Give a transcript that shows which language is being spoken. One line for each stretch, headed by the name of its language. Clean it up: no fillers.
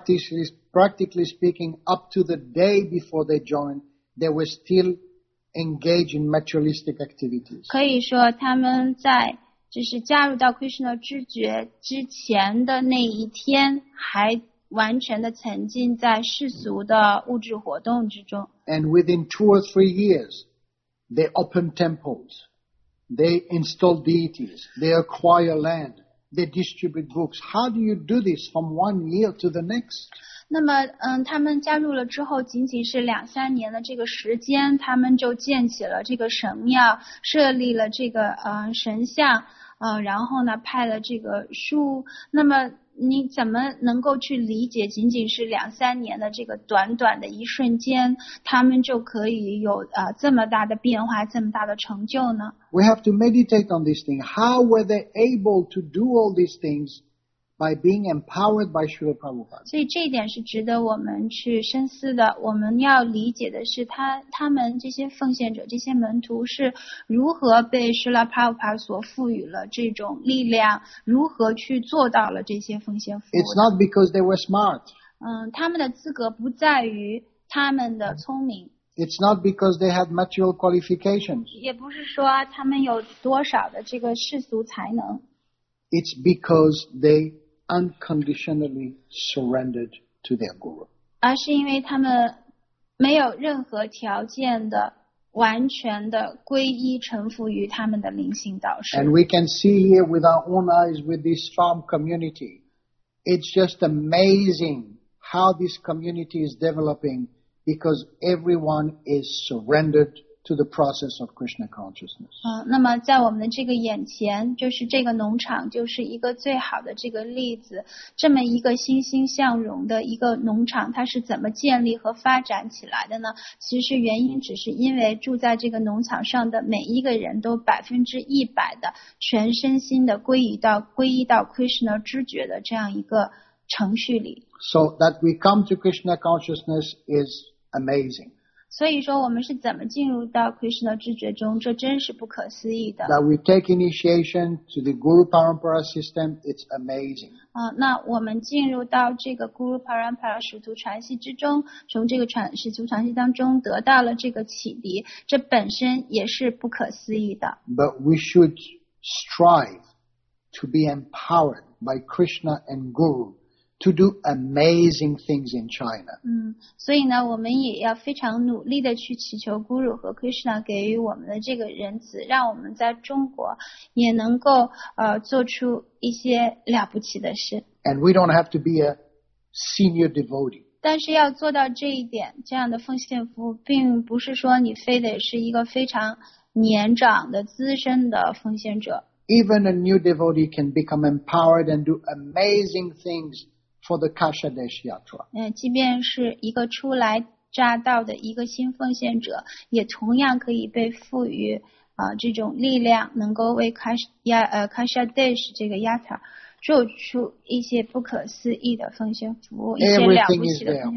English: Practically speaking, up to the day before they joined, they were still engaged in materialistic activities.
Chinese: 可以说他们在就是加入到 Krishna 知觉之前的那一天还完全的沉浸在世俗的物质活动之中。
English: And within 2 or 3 years, they opened temples, they installed deities, they acquire land, they distribute books. How do you do this from 1 year to the next?
Chinese: 那么他们加入了之后仅仅是两三年的这个时间他们就建起了这个神庙设立了这个神像然后呢派了这个书那么你怎么能够去理解仅仅是两三年的这个短短的一瞬间他们就可以有这么大的变化这么大的成就呢
English: We have to meditate on this thing. How were they able to do all these things? By being empowered by Srila Prabhupada.
Chinese: 所以这一点是值得我们去深思的。我们要理解的是他们这些奉献者、这些门徒是如何被 Srila Prabhupada 所赋予了这种力量，如何去做到了这些奉献服务。
English: It's not because they were smart.
Chinese: 他们的资格不在于他们的聪明。
English: It's not because they had material qualifications.
Chinese: 也不是说他们有多少的这个世俗才能。
English: It's because they unconditionally surrendered to their guru.
Chinese: 而是因为他们没有任何条件的完全的皈依臣服于他们的灵性导师。
English: And we can see here with our own eyes with this farm community. It's just amazing how this community is developing because everyone is surrendered. To the process of Krishna consciousness.
Chinese: 那么在我们的这个眼前，就是这个农场，就是一个最好的这个例子。这么一个欣欣向荣的一个农场，它是怎么建立和发展起来的呢？其实原因只是因为住在这个农场上的每一个人都100%的全身心的皈依到 Krishna 知觉的这样一个程序里。
English: So that we come to Krishna consciousness is amazing.
Chinese: 所以说我们是怎么进入到 Krishna 知觉中这真是不可思议的。
English: That we take initiation to the Guru Parampara system, it's amazing.
Chinese: 那我们进入到这个 Guru Parampara 使徒传系之中从这个使徒传系当中得到了这个启迪这本身也是不可思议的。
English: But we should strive to be empowered by Krishna and Guru. To do amazing things in China.
Chinese: 所以呢，我们也要非常努力的去祈求 Guru 和 Krishna 给予我们的这个仁慈，让我们在中国也能够做出一些了不起的事。
English: And we don't have to be a senior devotee.
Chinese: 但是要做到这一点，这样的奉献服务，并不是说你非得是一个非常年长的资深的奉献者。
English: Even a new devotee can become empowered and do amazing things. For the Kasha Desh Yatra.
Chinese: 即便是一个初来乍到的一个新奉献者，也同样可以被赋予这种力量，能够为Kasha Desh 这个 Yatra 做出一些不可思议的奉献服务，一些了不起的奉献服务。